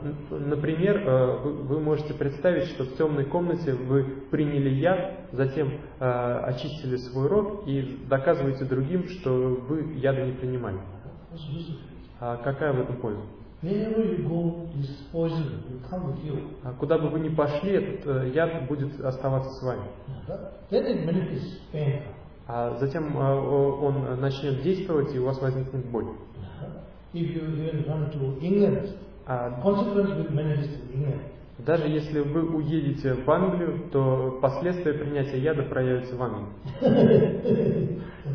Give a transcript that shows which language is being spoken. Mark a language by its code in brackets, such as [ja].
[ru] Например, вы можете представить, что в темной комнате вы приняли яд, затем очистили свой рот и доказываете другим, что вы яда не принимали. Какая в этом польза? [en] Wherever you go, this poison will come with you. [ru] Куда бы вы ни пошли, этот яд будет оставаться с вами. [en] Then it manifests pain. [ru] А затем он начнет действовать, и у вас возникнет боль. [en] If you even run to England, consequences will manifest in England. [ru] Даже если вы уедете в Англию, то последствия принятия яда проявятся в Англии.